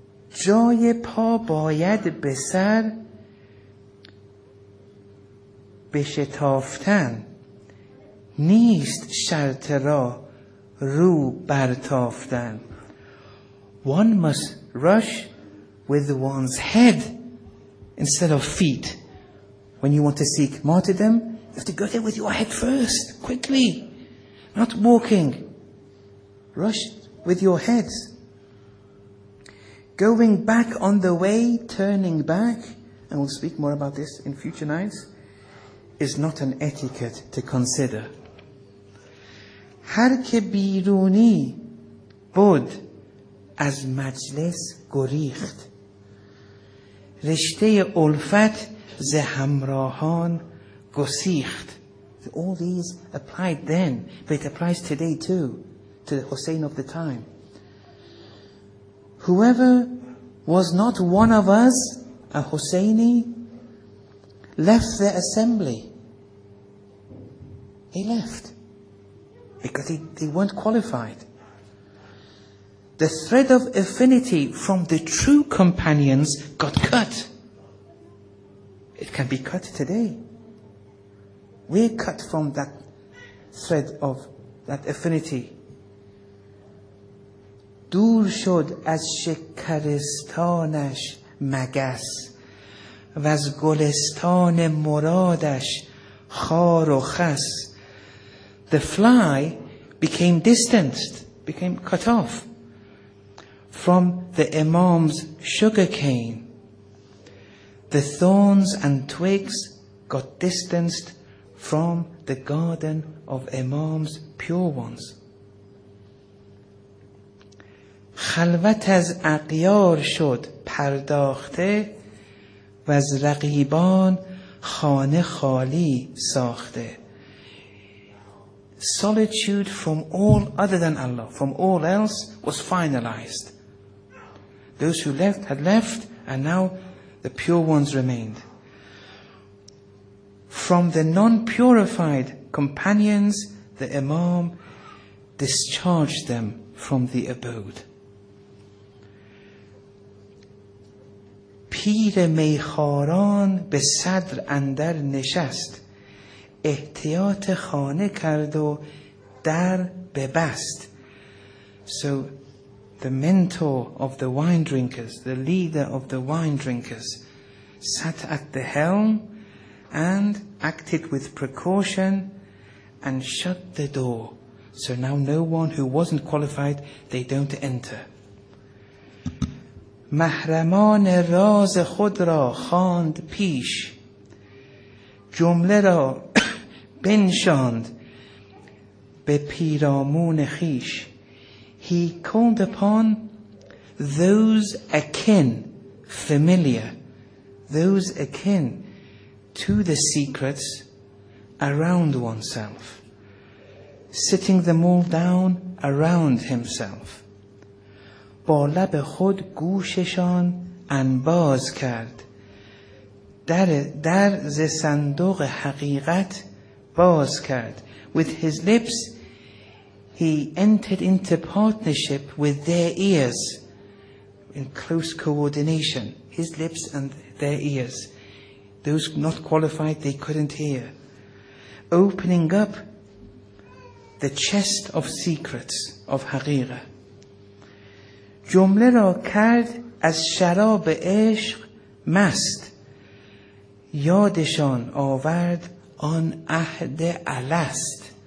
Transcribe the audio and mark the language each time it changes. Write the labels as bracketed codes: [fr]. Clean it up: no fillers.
[fa] جای پا باید به سر بشتافتن نیست شرط را رو برتافتن. [en] One must rush with one's head instead of feet. When you want to seek martyrdom, you have to go there with your head first, quickly, not walking. Rush with your heads. Going back on the way, turning back, and we'll speak more about this in future nights, is not an etiquette to consider. [fa] هر که بیرونی بود از مجلس گریخت. رشته الفت ز همراهان گسیخت. [en] All these applied then, but it applies today too, to the Hussein of the time. Whoever was not one of us, a Husseini, left the assembly. He left because they weren't qualified. The thread of affinity from the true companions got cut. It can be cut today. We're cut from that thread of that affinity. [fa] دور شد از شکرستانش مگس و از گلستان مرادش خار و خس. [en] The fly became distanced, became cut off from the imam's sugar cane. The thorns and twigs got distanced from the garden of imam's pure ones. [fa] خلوت از اقیار شد پرداخته و از رقیبان خانه خالی ساخته. [en] Solitude from all other than Allah, from all else, was finalized. Those who left had left, and now the pure ones remained. From the non-purified companions, the Imam discharged them from the abode. [fa] پیر میخاران به صدر اندر نشست، احتیاط خانه کرد و در ببست. [en] So the mentor of the wine drinkers, the leader of the wine drinkers, sat at the helm and acted with precaution and shut the door. So now no one who wasn't qualified, they don't enter. [fa] محرمان راز خود را خواند پیش، جمله را بنشاند به پیرامون خیش. [en] He called upon those akin, familiar, those akin to the secrets around oneself, sitting them all down around himself. [fa] با لب خود گوششان انباز کرد، در ز صندوق حقیقت باز کرد. [en] With his lips he entered into partnership with their ears, in close coordination, his lips and their ears. Those not qualified, they couldn't hear. Opening up the chest of secrets of حقیقه. [fa] جمله را کرد از شراب عشق مست، یادشان آورد آن عهد الست.